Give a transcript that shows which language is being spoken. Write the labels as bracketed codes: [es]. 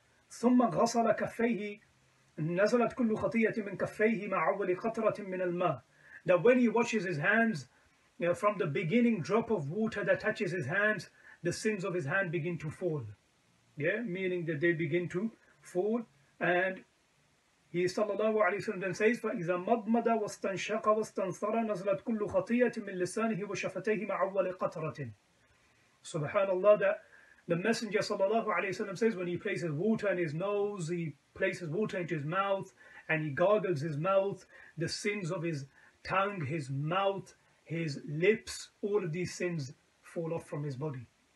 [ar] ثُمَّ غَسَلَ كَفَّيْهِ نَزَلَتْ كُلُّ خَطِيَّةٍ مِنْ كَفَّيْهِ مَعَ أَوَّلِ قَطْرَةٍ مِنَ الْمَاءِ, [en] that when he washes his hands, you know, from the beginning drop of water that touches his hands, the sins of his hand begin to fall. Yeah, meaning that they begin to fall. And he sallallahu alayhi wa sallam then says, [ar] فَإِذَا مَضْمَدَ وَاسْتَنْشَقَ وَاسْتَنْثَرَ نَزَلَتْ كُلُّ خَطِيَّةٍ مِنْ لِسَانِهِ وَشَفَتَيْهِ مَعَ أَوَّلِ قَطْرَةٍ. [en] Subhanallah, that the Messenger sallallahu alayhi wa sallam says, when he places water in his nose, he places water into his mouth, and he gargles his mouth, the sins of his tongue, his mouth, his lips, all of these sins fall off from his body.